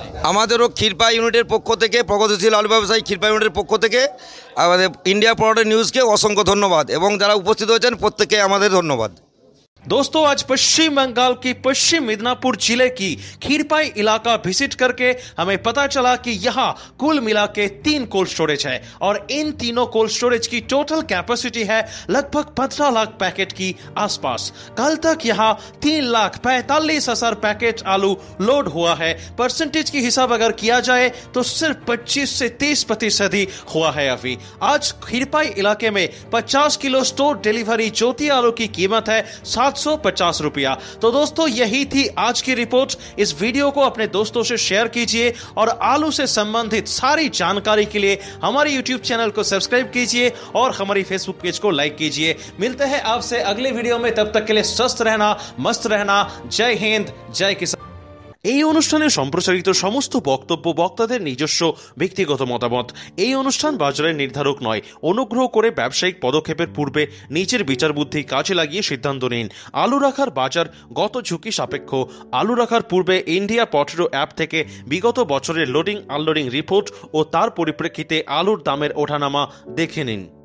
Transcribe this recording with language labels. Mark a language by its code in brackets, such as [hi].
[bn] আমাদেরও ক্ষীরপা ইউনিটের পক্ষ থেকে, প্রগতিশীল আলু ব্যবসায়ী ক্ষীরপা ইউনিটের পক্ষ থেকে আমাদের ইন্ডিয়া পটাটো নিউজকে অসংখ্য ধন্যবাদ, এবং যারা উপস্থিত হয়েছেন প্রত্যেককে আমাদের ধন্যবাদ। [hi] दोस्तों, आज पश्चिम बंगाल की पश्चिम मिदनापुर जिले की खीरपाई इलाका विजिट करके हमें पता चला कि यहाँ कुल मिला के 3 कोल्ड स्टोरेज है, और इन तीनों कोल्ड स्टोरेज की टोटल कैपेसिटी है लगभग 15 लाख पैकेट की आसपास। कल तक यहाँ 3,45,000 पैकेट आलू लोड हुआ है। परसेंटेज की हिसाब अगर किया जाए तो सिर्फ 25-30% ही हुआ है। अभी आज खीरपाई इलाके में 50 किलो स्टोर डिलीवरी ज्योति आलू की कीमत है 750 रुपया। तो दोस्तों, यही थी आज की रिपोर्ट। इस वीडियो को अपने दोस्तों से शेयर कीजिए, और आलू से संबंधित सारी जानकारी के लिए हमारे YouTube चैनल को सब्सक्राइब कीजिए और हमारी Facebook पेज को लाइक कीजिए। मिलते हैं आपसे अगले वीडियो में, तब तक के लिए स्वस्थ रहना, मस्त रहना। जय हिंद, जय किसान। [bn] এই অনুষ্ঠানে সম্প্রচারিত সমস্ত বক্তব্য বক্তাদের নিজস্ব ব্যক্তিগত মতামত। এই অনুষ্ঠান বাজারের নির্ধারক নয়। অনুগ্রহ করে ব্যবসায়িক পদক্ষেপের পূর্বে নিজের বিচার বুদ্ধি কাজে লাগিয়ে সিদ্ধান্ত নিন। আলু রাখার বাজার গত ঝুঁকি সাপেক্ষ। আলু রাখার পূর্বে ইন্ডিয়া পটেটো অ্যাপ থেকে বিগত বছরের লোডিং আনলোডিং রিপোর্ট ও তার পরিপ্রেক্ষিতে আলুর দামের ওঠানামা দেখে নিন।